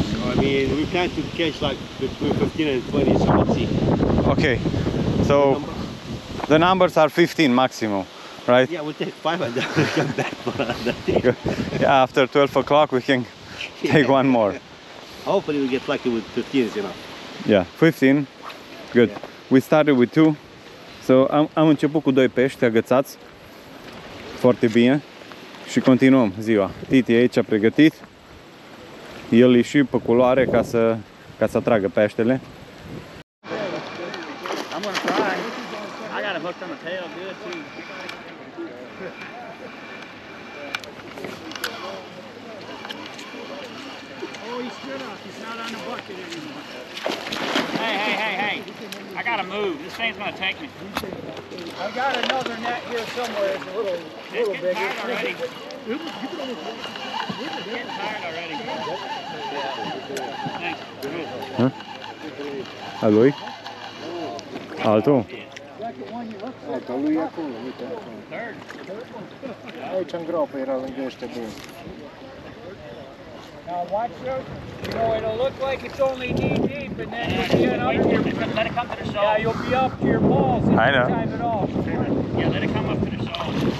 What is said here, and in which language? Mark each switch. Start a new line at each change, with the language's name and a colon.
English: I mean, we plan to catch like between 15 and 20, so let's see. Okay. So the numbers are 15 maximum. Right? Yeah, we'll take 5 and then come back for another day. Yeah, after 12 o'clock we can take one more. Hopefully we get lucky with 15, you know. Yeah, 15. Good. Yeah. We started with 2.
Romanian: So am început cu 2 pești agățați. Foarte bine. Și continuăm ziua. Titi aici a pregătit. El e și pe culoare ca să atragă peștele. I'm gonna try. I got a hook on the tail, good too. Oh, he's still up. He's not on the bucket anymore. Hey. I gotta move. This thing's gonna take me. I've got another net here somewhere. It's a little bigger. It's getting tired already. Thanks. Aloy? Alto? Aici în groapă era lângă ăștia bun.
English: Now watch her. You know, it'll look like it's only knee deep and then you'll get up here. Let it come to the shoal. Yeah, you'll be up to your balls if you dive it off. Yeah, let it come up to the shoal.